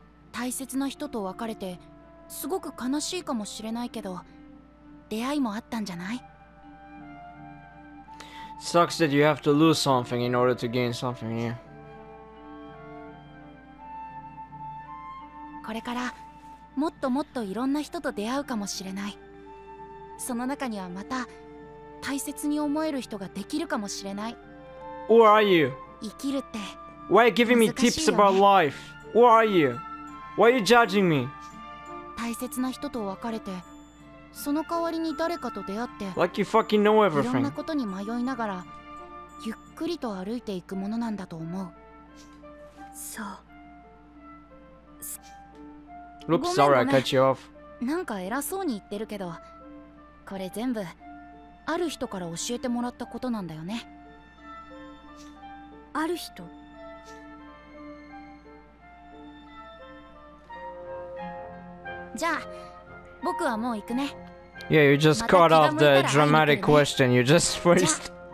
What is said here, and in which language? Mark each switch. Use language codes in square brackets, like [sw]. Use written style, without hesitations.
[ja] 大切な人と別れてすごく悲しいかもしれないけど、出会いもあったんじゃない。 [en] Sucks that you have to lose something in order to gain something new. [ja] これからもっともっといろんな人と出会うかもしれない。その中にはまた大切に思える人ができるかもしれない。 [en] Who are you? [ja] 生きるって。 [en] Why are you giving me tips about life? Who are you? Why are you judging me? [ja] 大切な人と別れて、その代わりに誰かと出会って、 [en] Like you fucking know everything. [ja] いろんなことに迷いながら、ゆっくりと歩いていくものなんだと思う。そう。 [en] Look, sorry, I cut you off. [ja] なんか偉そうに言ってるけど、これ全部、ある人から教えてもらったことなんだよね。ある人? じゃあ、僕はもう行くね。 [en] Yeah, you just cut off the dramatic question you just phrased.